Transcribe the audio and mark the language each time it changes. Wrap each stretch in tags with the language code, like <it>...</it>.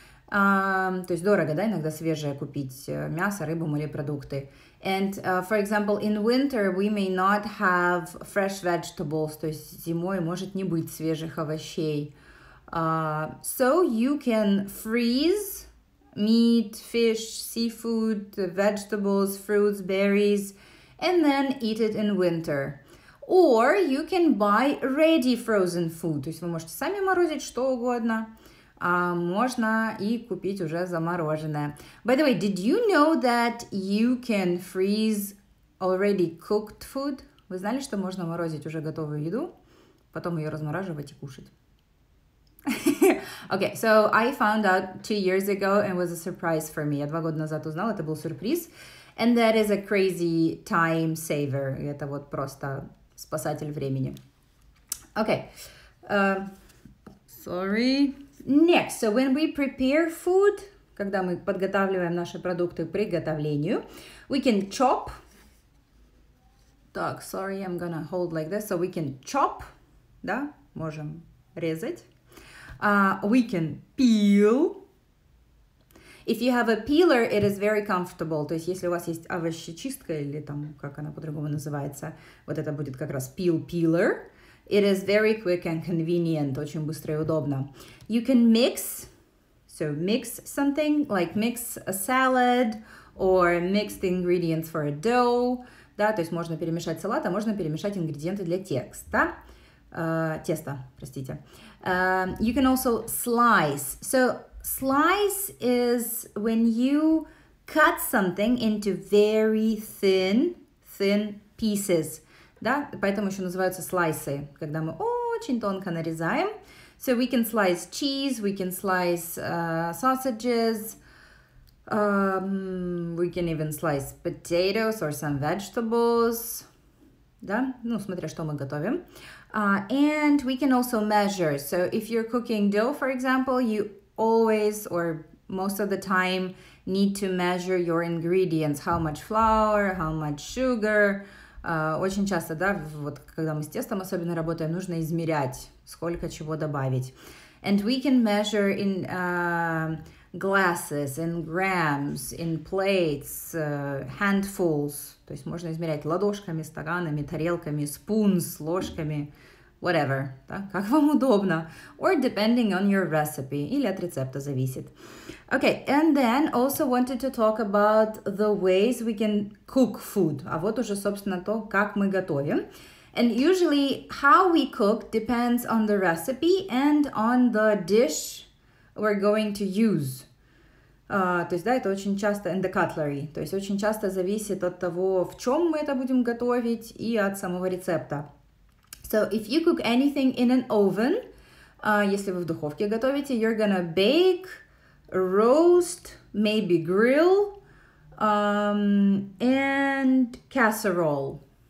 <ru>То есть дорого, да, иногда свежее купить мясо, рыбу, морепродукты.</ru> <en>And, for example, in winter we may not have fresh vegetables.</en> <ru>То есть зимой может не быть свежих овощей.</ru> <en>So you can freeze meat, fish, seafood, vegetables, fruits, berries, and then eat it in winter. Or you can buy ready frozen food.</en> <ru>То есть вы можете сами морозить что угодно, а можно и купить уже замороженное.</ru> <en>By the way, did you know that you can freeze already cooked food?</en> <ru>Вы знали, что можно морозить уже готовую еду, потом ее размораживать и кушать?</ru> <en>Okay, so I found out 2 years ago and it was a surprise for me.</en> <ru>Я 2 года назад узнала, это был сюрприз.</ru> <en>And that is a crazy time saver.</en> <ru>Это вот просто спасатель времени.</ru> <en>Okay. Sorry. Next. So when we prepare food,</en> <ru>когда мы подготавливаем наши продукты к приготовлению,</ru> <en>we can chop.</en> <ru>Так,</ru> <en>sorry, I'm gonna hold like this. So we can chop.</en> <ru>Да, можем резать.</ru> <en>We can peel. If you have a peeler, it is very comfortable.</en> <ru>То есть, если у вас есть овощечистка, или там, как она по-другому называется, вот это будет как раз peeler.</ru> <en>It is very quick and convenient.</en> <ru>Очень быстро и удобно.</ru> <en>You can mix. So, mix something, like mix a salad, or mix the ingredients for a dough.</en> <ru>Да, то есть, можно перемешать салат, а можно перемешать ингредиенты для теста. Теста, простите.</ru> <en>You can also slice. So, slice is when you cut something into very thin, thin pieces, да?</en> <ru>Поэтому еще называются слайсы, когда мы очень тонко нарезаем.</ru> <en>So we can slice cheese, we can slice sausages, we can even slice potatoes or some vegetables, да?</en> <ru>Ну, смотря что мы готовим.</ru> <en>And we can also measure. So if you're cooking dough, for example, you always or most of the time need to measure your ingredients, how much flour, how much sugar.</en> <ru>Очень часто, да, вот когда мы с тестом особенно работаем, нужно измерять, сколько чего добавить.</ru> <en>And we can measure in glasses, in grams, in plates, handfuls.</en> <ru>То есть можно измерять ладошками, стаканами, тарелками, spoons, ложками.</ru> <en>Whatever,</en> <ru>да, как вам удобно.</ru> <en>Or depending on your recipe,</en> <ru>или от рецепта зависит.</ru> <en>Okay, and then also wanted to talk about the ways we can cook food.</en> <ru>А вот уже, собственно, то, как мы готовим.</ru> <en>And usually how we cook depends on the recipe and on the dish we're going to use.</en> <ru>То есть, да, это очень часто</ru> <en>in the cutlery.</en> <ru>То есть, очень часто зависит от того, в чем мы это будем готовить, и от самого рецепта.</ru> <en>So, if you cook anything in an oven,</en> <ru>если вы в духовке готовите,</ru> <en>you're gonna bake, roast, maybe grill, and casserole.</en>